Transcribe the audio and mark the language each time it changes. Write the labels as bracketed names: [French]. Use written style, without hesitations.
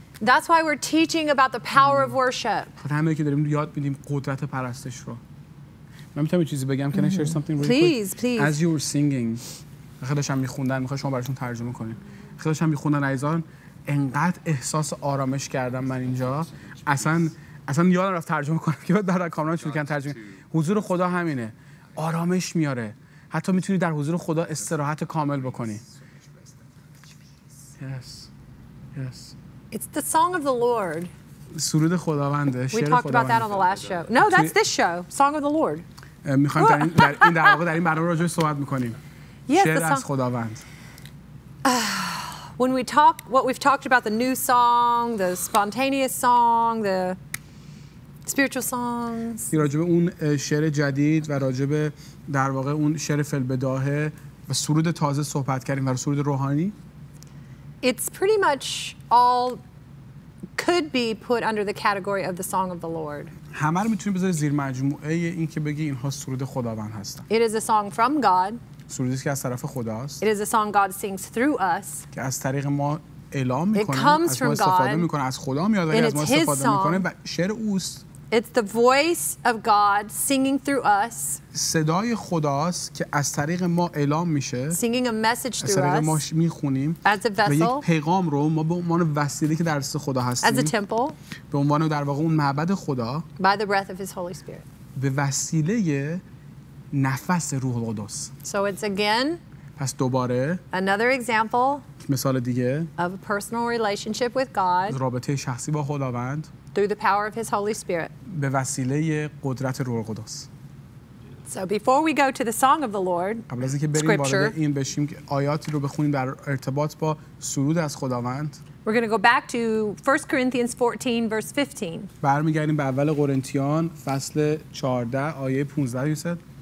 [English] That's why we're teaching about the power of worship. [Persian] خدا همه که داریم یاد میدیم قدرت پرستش رو. من میتونم چیزی بگم؟ [English] Can I share something really quick? Please, please. As you were singing, [Persian] خداشم میخوندن. میخواد شما براشون ترجمه کنین. خداشم میخوندن عزیزان. انقدر احساس آرامش کردم من اینجا. اصلا یادم رفت ترجمه کنم که بعد در کامران شروع کردم ترجمه حضور خدا همینه آرامش میاره حتی میتونی در حضور خدا استراحت کامل بکنی [English] yes yes it's the song of the lord [Persian] سرود خداونده شعر خداونده [English] we talked about that on the last show no that's this show song of the lord [Persian] میخوایم در این برنامه راجع به صحبت میکنیم شعر از خداوند [English] when we talk what we've talked about the new song the spontaneous song the spiritual songs [Persian] راجع به اون شعر جدید و راجع به در واقع اون شعر فلبداه و سرود تازه صحبت کردیم و سرود روحانی [English] It's pretty much all could be put under the category of the song of the Lord. [Persian] همه رو میتونیم بذاریم زیر مجموعه این که بگی اینها سرود خداوند هستن. [English] It is a song from God. [Persian] سرودی که از طرف خداست. [English] It is a song God sings through us. [Persian] که از طریق ما اعلام میکنه از ما استفاده میکنه از خدا میاد و از ما استفاده میکنه و شعر اوست [English] It's the voice of God singing through us [Persian] صدای خداست که از طریق ما اعلام میشه [English] singing a message through us [Persian] از طریق ما میخونیم [English] as a vessel [Persian] و یک پیغام رو ما به عنوان وسیله که در دست خدا هستیم [English] as a temple [Persian] به عنوان در واقع اون معبد خدا [English] by the breath of his holy spirit [Persian] به وسیله نفس روح القدس [English] so it's again [Persian] پس دوباره [English] another example [Persian] مثال دیگه [English] of a personal relationship with God [Persian] رابطه شخصی با خداوند [English] through the power of his Holy Spirit [Persian] به وسیله قدرت روح القدس [English] so before we go to the song of the Lord [Persian] قبل از اینکه بریم وارد این بشیم که آیاتی رو بخونیم در ارتباط با سرود از خداوند [English] we're going to go back to 1 Corinthians 14 verse 15 [Persian] برمیگردیم به اول قرنتیان فصل 14 آیه 15 یوسف